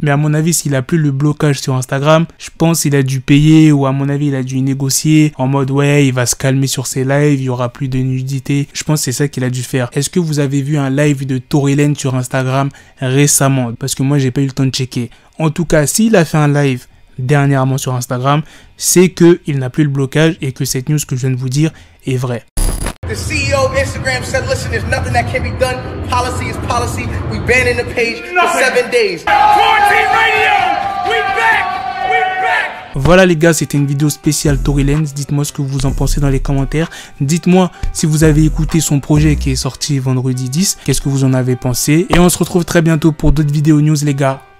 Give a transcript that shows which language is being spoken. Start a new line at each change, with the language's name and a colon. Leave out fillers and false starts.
French: Mais à mon avis, s'il a plus le blocage sur Instagram, je pense qu'il a dû payer ou à mon avis, il a dû négocier en mode ouais, il va se calmer sur ses lives, il y aura plus de nudité. Je pense que c'est ça qu'il a dû faire. Est-ce que vous avez vu un live de Tory Lanez sur Instagram récemment? Parce que moi, j'ai pas eu le temps de checker. En tout cas, s'il a fait un live dernièrement sur Instagram, c'est que il n'a plus le blocage et que cette news que je viens de vous dire est vraie.
English: The CEO of Instagram said, listen, there's nothing that can be done. Policy is policy. We banning the page for 7 days. Quarantine Radio, we back.
French: Voilà les gars, c'était une vidéo spéciale Tory Lanez. Dites-moi ce que vous en pensez dans les commentaires. Dites-moi si vous avez écouté son projet qui est sorti vendredi 10. Qu'est-ce que vous en avez pensé? Et on se retrouve très bientôt pour d'autres vidéos news les gars.